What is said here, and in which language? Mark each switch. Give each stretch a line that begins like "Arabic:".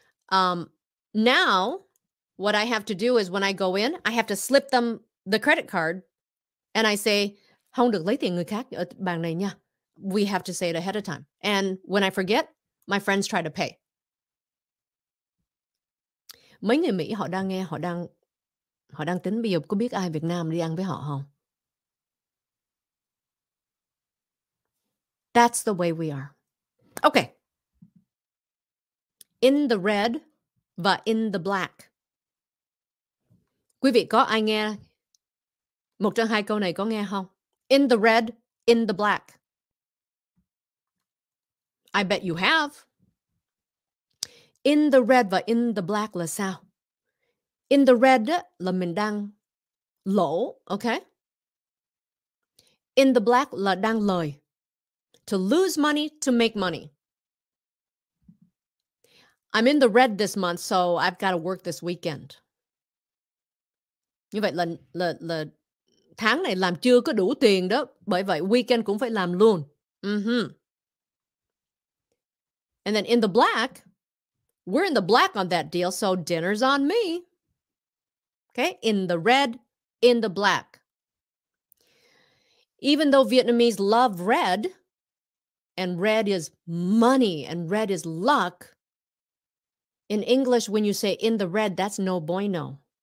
English: Now, what I have to do is when I go in, I have to slip them the credit card. And I say,
Vietnamese: không được lấy tiền người khác ở bàn này nha.
English: we have to say it ahead of time. And when I forget, my friends try to pay.
Vietnamese: Mấy người Mỹ họ đang nghe, họ đang tính bây giờ có biết ai Việt Nam đi ăn với họ không?
English: That's the way we are. Okay. In the red và in the black.
Vietnamese: Quý vị có ai nghe một trong hai câu này có nghe không?
English: In the red, in the black. I bet you have. In the red và in the black
Vietnamese: là sao?
English: In the red
Vietnamese: là mình đang lỗ,
English: okay? In the black
Vietnamese: là đang lời.
English: To lose money, to make money. I'm in the red this month, so I've got to work this weekend.
Vietnamese: Như vậy là tháng này làm chưa có đủ tiền đó, bởi vậy weekend cũng phải làm luôn. Mm-hmm.
English: And then in the black, we're in the black on that deal, so dinner's on me. Okay, in the red, in the black. Even though Vietnamese love red, and red is money, and red is luck, in English, when you say in the red, that's
Spanish: no bueno.